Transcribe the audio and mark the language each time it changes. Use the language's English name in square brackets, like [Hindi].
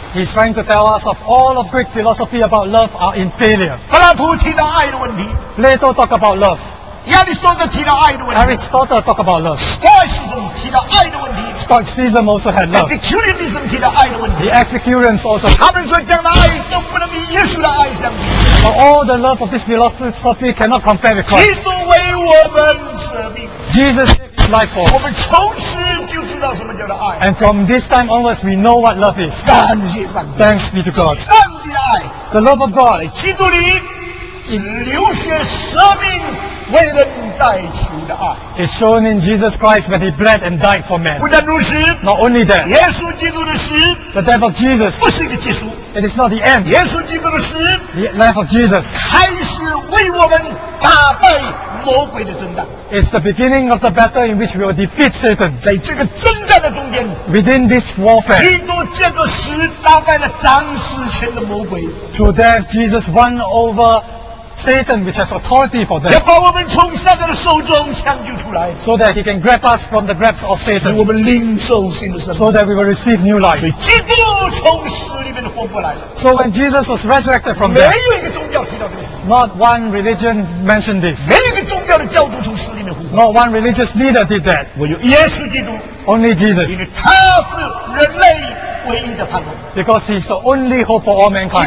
[English] He's trying to tell us of all of Greek philosophy about love are in failure. [Chinese] 柏拉图提到爱的问题。 [English] Plato talk about love. [Chinese] 亚里士多德提到爱的问题。 [English] Aristotle talk about love. [Chinese] Stoicism 提到爱的问题。 [English] Stoicism also had love. [Chinese] Epicureanism 提到爱的问题。 [English] The Epicureans also. [Chinese] 他们说将来爱都不能比耶稣的爱相比。 [English] But all the love of this philosophy cannot compare with Christ. [Chinese] 基督为我们舍命。 [English] Jesus. Life force. [Chinese] 我们从此就知道什么叫做爱。 [English] And from this time onwards, we know what love is. [Chinese] 感谢上帝。 [English] Thanks be to God. [Chinese] 上帝的爱。 [English] The love of God. [Chinese] 在基督里，是流血舍命为人代求的爱。 [English] It's shown in Jesus Christ when He bled and died for men. [Chinese] 不但如此。 [English] Not only that. [Chinese] 耶稣基督的死。 [English] The death of Jesus. [Chinese] 不是一个结束。 [English] It is not the end. [Chinese] 耶稣基督的死。 [English] The life of Jesus. [Chinese] 开始为我们打败。魔鬼的征战。 [English] It's the beginning of the battle in which we will defeat Satan. [Chinese] 在这个征战的中间。 [English] Within this warfare. [Chinese] 基督借着死打败了掌死权的魔鬼。 [English] Through death, Jesus won over Satan, which has authority for death. [Chinese] 要把我们从撒旦的手中抢救出来。 [English] So that he can grab us from the grasp of Satan. [Chinese] 我们领受新的生命。 [English] So that we will receive new life. [Chinese] 所以基督从死里面活过来了。 [English] So when Jesus was resurrected from death. [Chinese] 没有一个宗教提到这个事。 [English] Not one religion mentioned this. [Chinese] 没有一个宗教的教主从死里面复活。 [English] Not one religious leader did that. [Chinese] 唯有耶稣基督。 [English] Only Jesus. [Chinese] 因为他是人类唯一的盼望。 [English] Because he's the only hope for all mankind.